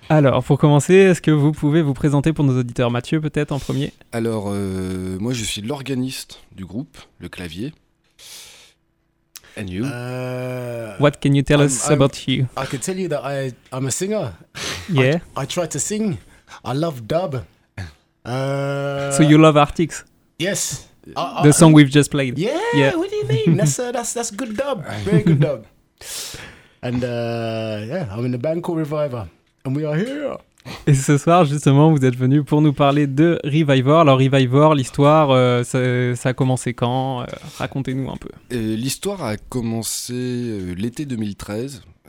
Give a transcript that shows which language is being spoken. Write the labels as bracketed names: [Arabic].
[French] Alors, pour commencer, est-ce que vous pouvez vous présenter pour nos auditeurs, Mathieu, peut-être en premier? Alors, moi, je suis l'organiste du groupe, le clavier. [English] And you? What can you tell us about you? I can tell you that I'm a singer. Yeah. I try to sing. I love dub. So you love Arctics? Yes. The song we've just played. Yeah. What do you mean? That's good dub. Very good dub. And I'm in the Banco Reviver, and we are here. [French] Et ce soir, justement, vous êtes venu pour nous parler de Reviver. Alors, Reviver, l'histoire, ça a commencé quand? Racontez-nous un peu. L'histoire a commencé l'été 2013.